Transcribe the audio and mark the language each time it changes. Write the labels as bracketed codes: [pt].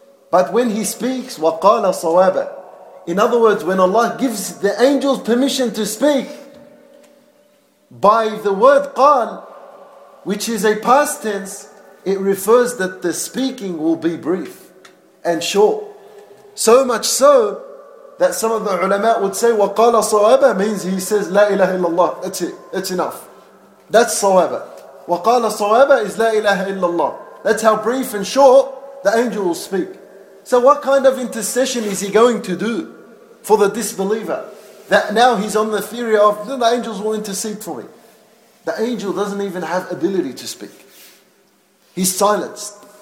[en] But when he speaks, وَقَالَ صَوَابًا. In other words, when Allah gives the angels permission to speak, by the word قَال, which is a past tense, it refers that the speaking will be brief and short. So much so, that some of the ulama would say, وَقَالَ صَوَابًا means he says, لا إله إلا الله. That's it. That's enough. That's صَوَابًا. [ar] وَقَالَ صَوَابًا is لا إله إلا الله. [en] That's how brief and short the angel will speak. So what kind of intercession is he going to do for the disbeliever? That now he's on the theory of, the angels will intercede for me. The angel doesn't even have ability to speak. He's silenced.